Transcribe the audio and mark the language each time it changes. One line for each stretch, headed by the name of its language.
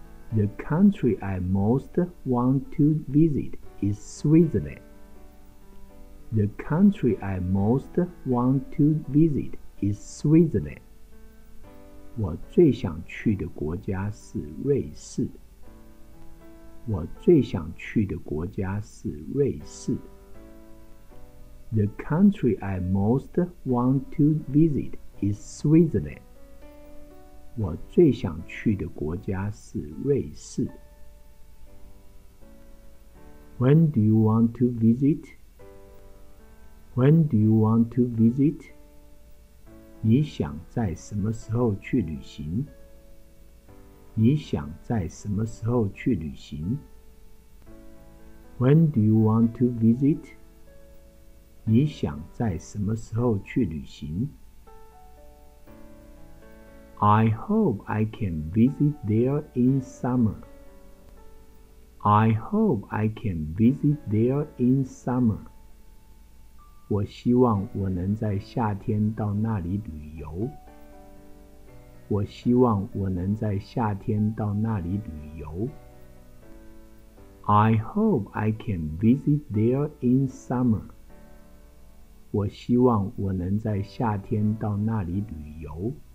English: The country I most want to visit is Switzerland. The country I most want to visit is Switzerland.
Chinese: 我最想去的国家是瑞士。我最想去的国家是瑞士。
English: The country I most want to visit. Is Switzerland.
Chinese: 我最想去的国家是瑞士。
English: When do you want to visit? When do you want to visit?
Chinese: 你想在什么时候去旅行？你想在什么时候去旅行？
English: When do you want to visit?
Chinese: 你想在什么时候去旅行？
English: I hope I can visit there in summer. I hope I can visit there in summer.
Chinese: 我希望我能在夏天到那里旅游。我希望我能在夏天到那里旅游。
English: I hope I can visit there in summer.
Chinese: 我希望我能在夏天到那里旅游。